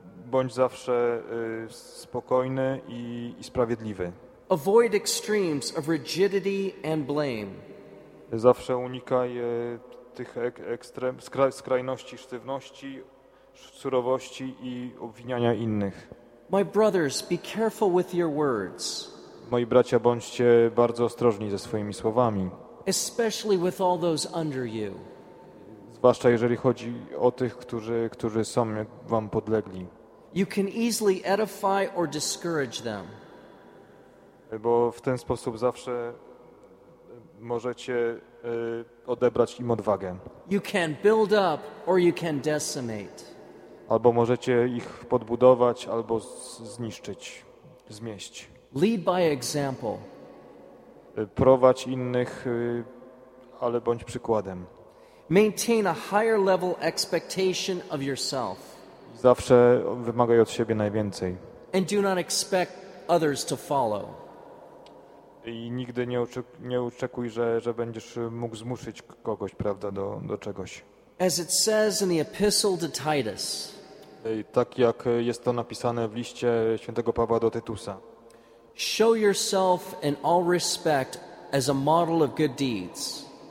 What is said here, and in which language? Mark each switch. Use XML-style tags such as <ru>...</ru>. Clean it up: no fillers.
<pl>Bądź zawsze spokojny i sprawiedliwy.</pl> <en>Avoid extremes of rigidity and blame.</en> <pl>Zawsze unikaj tych skrajności sztywności, surowości i obwiniania innych.</pl> <en>My brothers, be careful with your words.</en> <pl>Moi bracia, bądźcie bardzo ostrożni ze swoimi słowami.</pl> <en>Especially with all those under you.</en> <pl>Zwłaszcza jeżeli chodzi o tych, którzy są wam podlegli.</pl> <en>You can easily edify or discourage them.</en> <pl>Bo w ten sposób zawsze możecie odebrać im odwagę.</pl> <en>You can build up or you can decimate.</en> <pl>Albo możecie ich podbudować, albo zniszczyć, zmieść.</pl> <en>Lead by example.</en> <pl>Prowadź innych, ale bądź przykładem.</pl> <en>Maintain a higher level expectation of yourself.</en> <pl>Zawsze wymagaj od siebie najwięcej.</pl> <en>And do not expect others to follow.</en> <pl>I nigdy nie oczekuj, że będziesz mógł zmuszyć kogoś, prawda, do czegoś.</pl> <en>As it says in the epistle to Titus.</en> <pl>Tak jak jest to napisane w liście świętego Pawła do Tytusa.</pl> <en>Show yourself in all respect as a model of good deeds.</en>